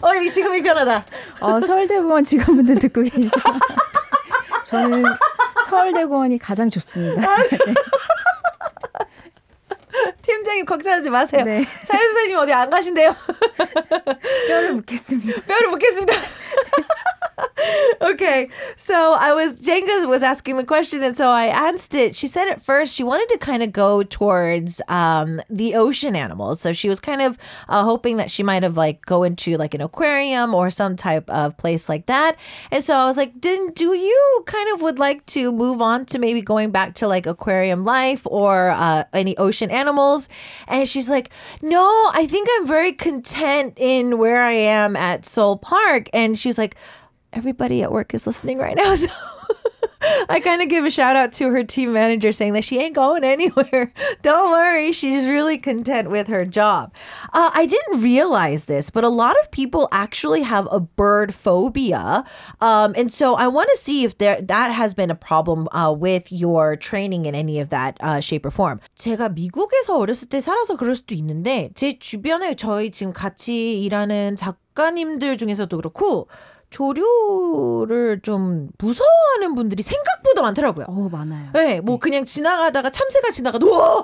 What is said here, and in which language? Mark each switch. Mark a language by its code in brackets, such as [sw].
[ko] 지금이 편하다. 서울대공원 직원분들 듣고 계시죠? 저는 서울대공원이 가장 좋습니다. 팀장님 걱정하지 마세요. 네. 사회수사님 어디 안 가신대요? 뼈를 묻겠습니다. 뼈를 묻겠습니다. [en] Okay, so Jenga was asking the question, and so I asked it. She said at first she wanted to kind of go towards the ocean animals. So she was kind of hoping that she might have like go into like an aquarium or some type of place like that. And so I was like, then do you kind of would like to move on to maybe going back to like aquarium life or any ocean animals? And she's like, no, I think I'm very content in where I am at Seoul Park. And she was like, everybody at work is listening right now, so I kind of give a shout out to her team manager saying that she ain't going anywhere. Don't worry, she's really content with her job. I didn't realize this, but a lot of people actually have a bird phobia. And so I want to see if that has been a problem with your training in any of that shape or form. [ko] 제가 미국에서 어렸을 때 살아서 그럴 수도 있는데 제 주변에 저희 지금 같이 일하는 작가님들 중에서도 그렇고 조류를 좀 무서워하는 분들이 생각보다 많더라고요. 많아요. 네, 뭐 네. 그냥 지나가다가 참새가 지나가도 와!